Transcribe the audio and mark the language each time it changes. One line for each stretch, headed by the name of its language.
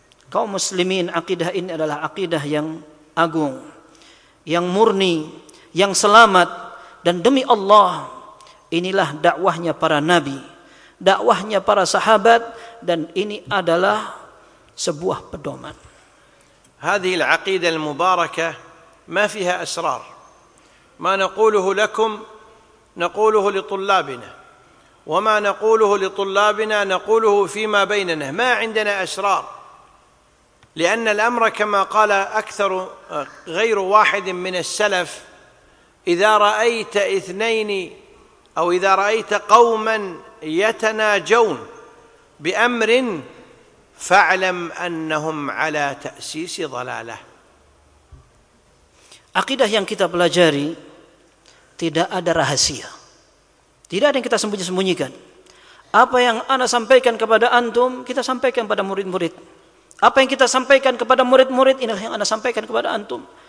Indonesian: Kaum muslimin, akidah ini adalah akidah yang agung, yang murni, yang selamat, dan demi Allah, inilah dakwahnya para nabi, dakwahnya para sahabat, dan ini adalah sebuah pedoman.
Arabic: هذه العقيدة المباركة ما فيها أسرار. ما نقوله لكم نقوله لطلابنا، وما نقوله لطلابنا نقوله فيما بيننا، ما عندنا أسرار، لأن الأمر كما قال أكثر غير واحد من السلف، إذا رأيت اثنين أو إذا رأيت قوما يتناجون بأمر فاعلم أنهم على تأسيس ضلالة.
Indonesian: Akidah yang kita pelajari tidak ada rahasia, tidak ada yang kita sembunyi-sembunyikan. Apa yang ana sampaikan kepada antum, kita sampaikan kepada murid-murid. Apa yang kita sampaikan kepada murid-murid, inilah yang ana sampaikan kepada antum.